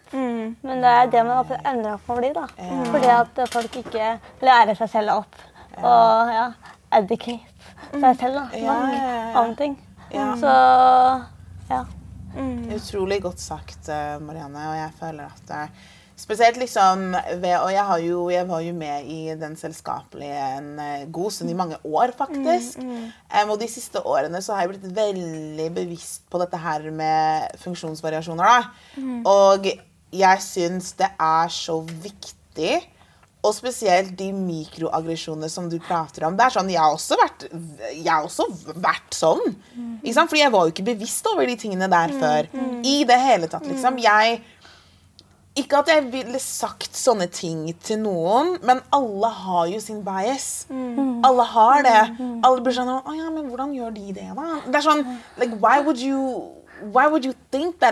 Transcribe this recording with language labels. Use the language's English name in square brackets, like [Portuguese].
[Norwegian] Men det er det man har endret på å bli, da. Fordi at folk ikke lærer seg selv opp. Og ja, educate seg selv, da. Andre ting. Så, ja. Utrolig godt sagt, Marianne. Og jeg føler at det er spesielt liksom ved, og jeg, jeg var jo med i den selskapelige en god stund i mange år, faktisk. Og de siste årene så har jeg blitt veldig bevisst på dette her med funksjonsvariasjoner, da. Og jeg synes det er så viktig, og spesielt de mikroaggresjoner som du prater om. Det er sånn, jeg har også vært sånn. Liksom? Fordi jeg var jo ikke bevisst over de tingene der før. I det hele tatt, liksom. Ikke at jeg ville sagt sånne ting til noen, men alle har jo sin bias. Alle har det. Alle blir sånn, ja, men hvordan gjør de det da? Det er sånn, [English] like, why would you think that?